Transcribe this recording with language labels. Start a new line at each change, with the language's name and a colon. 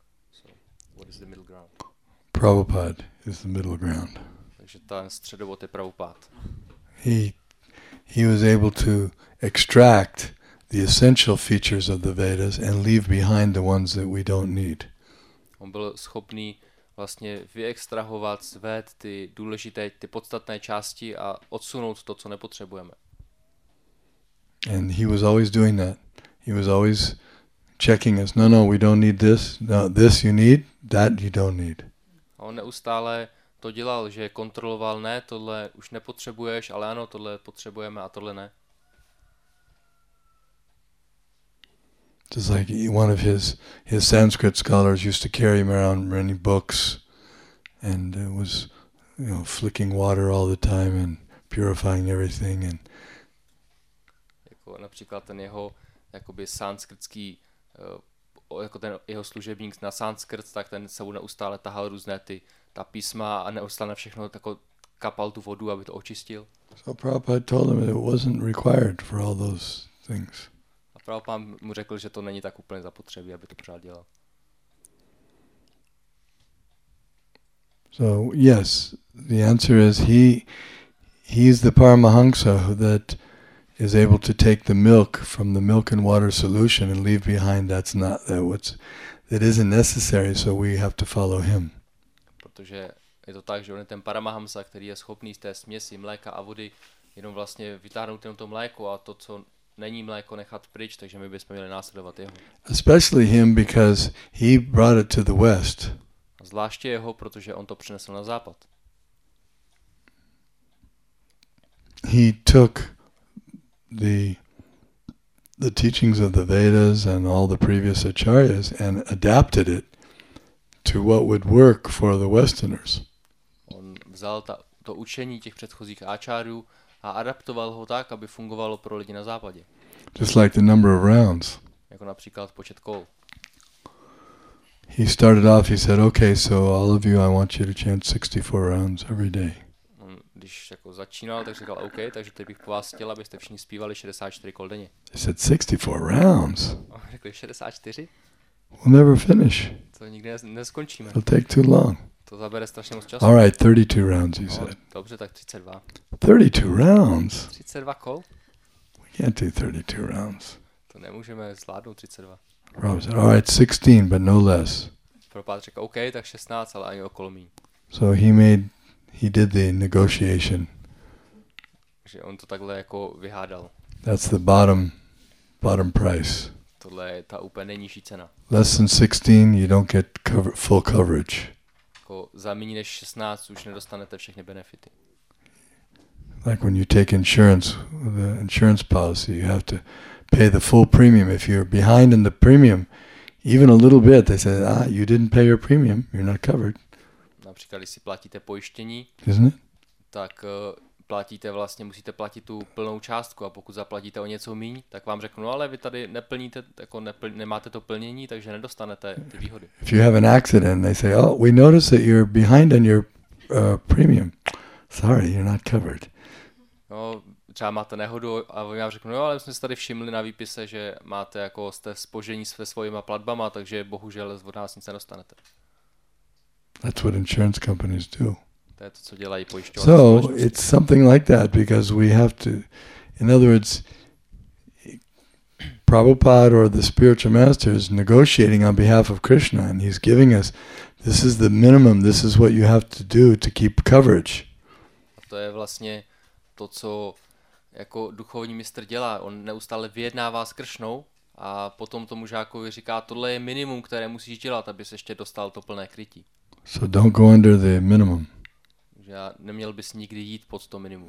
English: So, what is the middle ground? Prabhupada is the middle ground.
Czech: Takže ten středobod je Prabhupada.
English: He was able to extract the essential features of the Vedas and leave behind the ones that we don't need.
Czech: On byl schopný vlastně vyextrahovat zved ty důležité, ty podstatné části a odsunout to, co nepotřebujeme.
English: And he was always doing that. He was always checking us. No, we don't need this. No, this you need, that you don't need.
Czech: A on neustále to dělal, že kontroloval, ne, tohle už nepotřebuješ, ale ano, tohle potřebujeme a tohle ne.
English: Just like one of his Sanskrit scholars used to carry him around many books and was, you know, flicking water all the time and purifying everything. And
Czech: jako například ten jeho jakoby sanskritský jako ten jeho služebník na sanskrt, tak ten se mu neustále tahal různé ta písma a neustále všechno jako kapal tu vodu, aby to očistil.
English: So Prabhupada told him it wasn't required for all those things.
Czech: A Prabhupada mu řekl, že to není tak úplně zapotřebí, aby to pořád dělal.
English: So yes, the answer is he's the Paramahansa that is able to take the milk from the milk and water solution and leave behind that's not that what's that isn't necessary, so we have to follow him.
Czech: Protože je to tak, že on je ten Paramahamsa, který je schopný z té směsi mléka a vody jenom vlastně vytáhnout jenom to mléko a to, co není mléko, nechat pryč, takže my bychom měli následovat jeho.
English: Especially him, because he brought it to the west.
Czech: Zvláště jeho, protože on to přinesl na západ.
English: He took the teachings of the Vedas and all the previous acharyas and adapted it to what would work for the Westerners.
Czech: On vzal to učení těch předchozích áčárů a adaptoval ho tak, aby fungovalo pro lidi na západě.
English: Just like the number of rounds.
Czech: Jako například počet kol.
English: He started off, he said, okay, so all of you, I want you to chant 64 rounds every day.
Czech: Když jako začínal, tak říkal OK, takže teď bych po vás chtěl, abyste všichni zpívali 64 kol denně.
English: I said 64 rounds.
Czech: On řekl 64.
English: We'll never finish.
Czech: To nikdy neskončíme.
English: It'll take too long.
Czech: To zabere strašně moc času.
English: All right, 32 rounds, he said.
Czech: Dobře, tak 32.
English: 32 rounds.
Czech: 32 kol.
English: We can't do 32 rounds.
Czech: To nemůžeme zvládnout 32.
English: Rob said, all right, 16, but no less.
Czech: Propad řekl OK, tak 16, ale ani okolo míň.
English: So he did the negotiation.
Czech: Že on to takhle jako vyhádal.
English: That's the bottom price.
Czech: Tohle je ta úplně nejnižší cena.
English: Less than 16, you don't get full coverage.
Czech: Jako za méně než 16 už nedostanete všechny benefity.
English: Like when you take the insurance policy, you have to pay the full premium. If you're behind in the premium, even a little bit, they say, you didn't pay your premium, you're not covered.
Czech: Například, když si platíte pojištění,
English: isn't it?
Czech: Tak platíte vlastně, musíte platit tu plnou částku a pokud zaplatíte o něco míň, tak vám řeknu, no ale vy tady neplníte, jako nemáte to plnění, takže nedostanete ty výhody.
English: If you have an accident, they say, oh, we notice that you're behind on your premium. Sorry, you're not covered.
Czech: No, třeba máte nehodu a oni vám řeknu, no ale my jsme si tady všimli na výpise, že máte jako jste spožení se svojima platbama, takže bohužel od nás nic nedostanete.
English: That's what insurance companies do.
Czech: To je to, co dělají pojišťovací.
English: So it's something like that, because we have to, in other words, Prabhupada or the spiritual master is negotiating on behalf of Krishna, and he's giving us, this is the minimum, this is what you have to do to keep coverage.
Czech: A to je vlastně to, co jako duchovní mistr dělá. On neustále vyjednává s Kršnou a potom tomu žákovi říká, tohle je minimum, které musíš dělat, aby se ještě dostal to plné krytí.
English: So don't go under the minimum.
Czech: Že neměl bys nikdy jít pod to minimum.